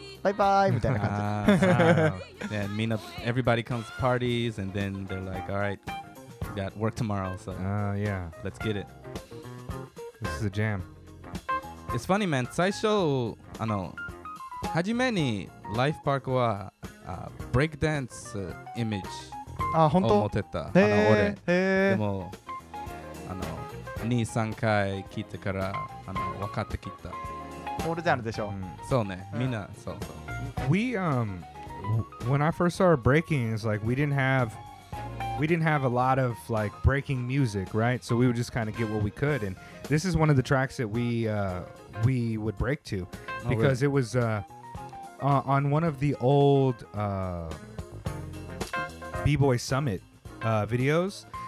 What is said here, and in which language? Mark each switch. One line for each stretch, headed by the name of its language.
Japanese: みんなで集まってみんなで歌ってみんなで、あ、よかったね、今日って思って明日から頑張ろう。バイバイみたいな感じ。
English: And mean everybody comes to parties and then they're like, all right, got work tomorrow, so yeah, let's get it. This is a jam. It's funny, man.
Japanese: 最初, はじめに
English: Life Park は breakdance image
Japanese: を持ってた。俺。でも、 2、3回聞いてから分かってきた。オールジャンルでしょ。そうね。みんな、そうそう。
English: We, when I first started breaking, it's like we didn't have a lot of like breaking music, right? So we would just kind of get what we could. And this is one of the tracks that we would break to. Because it was on one of the old B-Boy Summit videos.